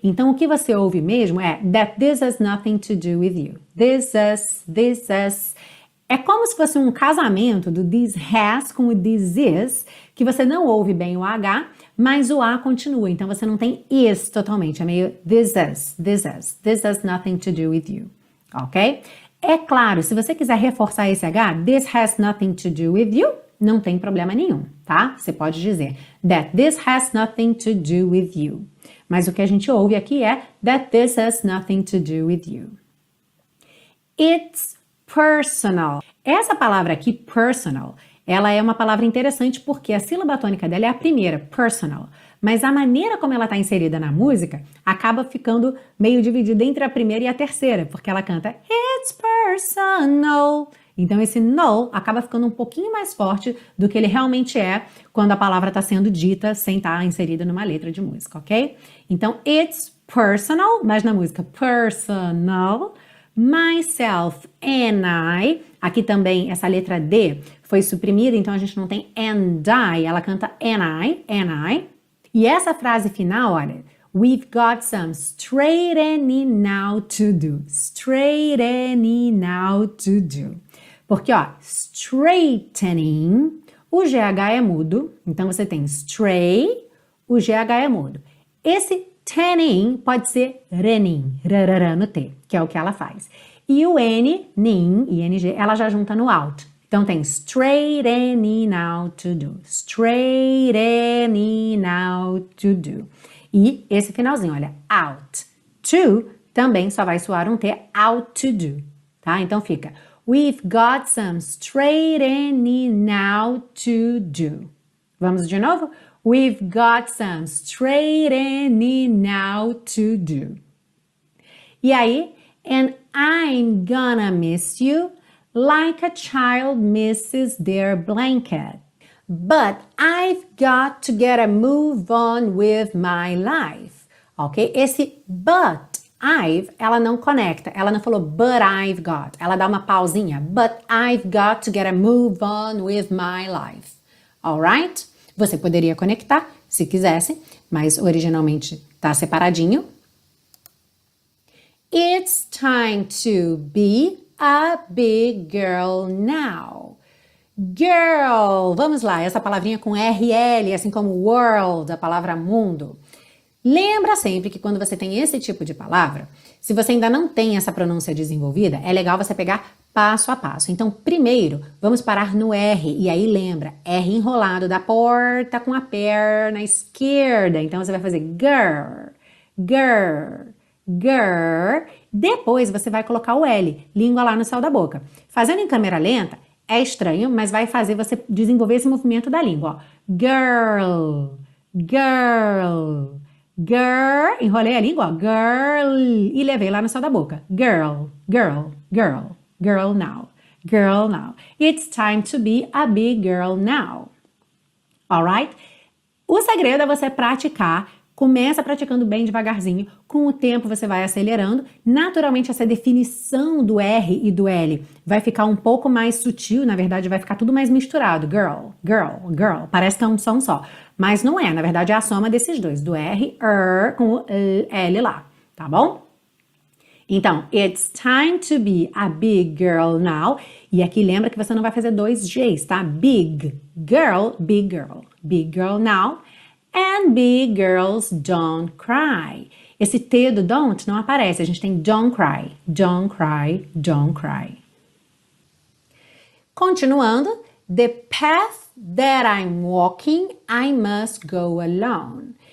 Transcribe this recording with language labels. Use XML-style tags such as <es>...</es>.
<pt>Então, o que você ouve mesmo é</pt> <en>that this has nothing to do with you.</en> <pt>This has. É como se fosse um casamento do this has com o this is, que você não ouve bem o H, mas o A continua. Então, você não tem is totalmente. É meio this is.</pt> <en>This has nothing to do with you. Ok?</en> <pt>É claro, se você quiser reforçar esse H,</pt> <en>this has nothing to do with you,</en> <pt>não tem problema nenhum, tá? Você pode dizer</pt> <en>that this has nothing to do with you.</en> <pt>Mas o que a gente ouve aqui é</pt> <en>that this has nothing to do with you. It's personal.</en> <pt>Essa palavra aqui, personal, ela é uma palavra interessante porque a sílaba tônica dela é a primeira, personal. Mas a maneira como ela está inserida na música acaba ficando meio dividida entre a primeira e a terceira, porque ela canta</pt> <en>it's personal.</en> <pt>Então esse no acaba ficando um pouquinho mais forte do que ele realmente é quando a palavra está sendo dita sem estar inserida numa letra de música, ok? Então,</pt> <en>it's personal,</en> <pt>mas na música, personal,</pt> <en>myself and I,</en> <pt>aqui também essa letra D foi suprimida, então a gente não tem and I, ela canta and I. E essa frase final, olha,</pt> <en>we've got some straightening out to do, straightening out to do.</en> <pt>Porque, ó, straightening, o GH é mudo, então você tem straight, o GH é mudo. Esse tanning pode ser renin, rarará no T, que é o que ela faz. E o N, nin, ing, ela já junta no out. Então tem</pt> <en>straightening out to do, straightening out to do.</en> <pt>E esse finalzinho, olha,</pt> <en>out, to, T,</en> <pt>também só vai soar um T</pt> <en>out to do,</en> <pt>tá? Então fica:</pt> <en>We've got some straightening out to do.</en> <pt>Vamos de novo?</pt> <en>We've got some straightening out to do.</en> <pt>E aí?</pt> <en>And I'm gonna miss you like a child misses their blanket. But I've got to get a move on with my life. Ok?</en> <pt>Esse but I've, ela não conecta. Ela não falou</pt> <en>but I've got.</en> <pt>Ela dá uma pausinha.</pt> <en>But I've got to get a move on with my life. Alright?</en> <pt>Você poderia conectar se quisesse, mas originalmente tá separadinho.</pt> <en>It's time to be a big girl now.</en> <pt>Girl, vamos lá, essa palavrinha com RL, assim como world, a palavra mundo. Lembra sempre que quando você tem esse tipo de palavra, se você ainda não tem essa pronúncia desenvolvida, é legal você pegar passo a passo. Então, primeiro, vamos parar no R, e aí lembra, R enrolado da porta com a perna esquerda. Então, você vai fazer girl, girl. Girl, depois você vai colocar o L, língua lá no céu da boca. Fazendo em câmera lenta, é estranho, mas vai fazer você desenvolver esse movimento da língua, ó. Girl, girl, girl, enrolei a língua, ó. Girl, e levei lá no céu da boca.</pt> <en>Girl, girl, girl, girl now, it's time to be a big girl now, alright?</en> <pt>O segredo é você praticar. Começa praticando bem devagarzinho, com o tempo você vai acelerando. Naturalmente, essa definição do R e do L vai ficar um pouco mais sutil, na verdade, vai ficar tudo mais misturado. Girl, girl, girl. Parece que é um som só. Mas não é, na verdade, é a soma desses dois, do R, com o L lá, tá bom? Então,</pt> <en>it's time to be a big girl now.</en> <pt>E aqui lembra que você não vai fazer dois Gs, tá?</pt> <en>Big girl, big girl now. And big girls don't cry.</en> <pt>Esse T do don't não aparece. A gente tem</pt> <en>don't cry. Don't cry. Don't cry.</en> <pt>Continuando.</pt> <en>The path that I'm walking, I must go alone.</en>